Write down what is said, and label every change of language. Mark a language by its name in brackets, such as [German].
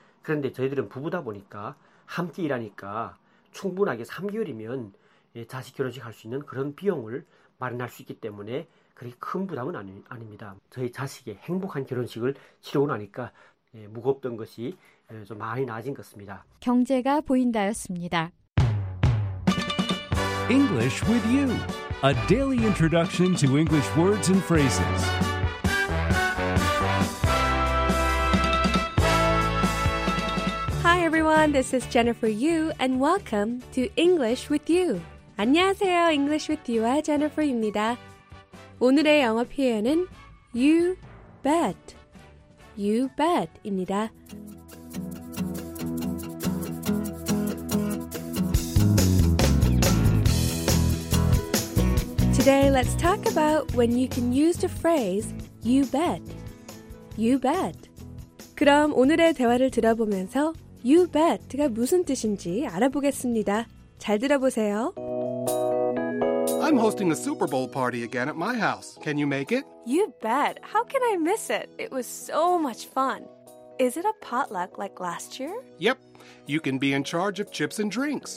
[Korean] 그런데 저희들은 부부다 보니까 함께 일하니까 충분하게 3개월이면 자식 결혼식 할 수 있는 그런 비용을 마련할 수 있기 때문에 그렇게 큰 부담은 아닙니다. 저희 자식의 행복한 결혼식을 치르고 나니까 무겁던 것이 좀 많이 나아진 것 같습니다. 경제가 보인다였습니다. [English] English with you. A daily introduction to English words and phrases. Hi everyone, this is Jennifer Yu and welcome to English with You. [Korean] 안녕하세요, English with You와 Jennifer입니다. 오늘의 영어 표현은 [English] You bet, You bet [Korean] 입니다. [English] Today, let's talk about when you can use the phrase you bet. You bet. [Korean] 그럼 오늘의 대화를 들어보면서 you bet가 무슨 뜻인지 알아보겠습니다. 잘 들어보세요. [English] I'm hosting a Super Bowl party again at my house. Can you make it? You bet. How can I miss it? It was so much fun. Is it a potluck like last year? Yep. You can be in charge of chips and drinks.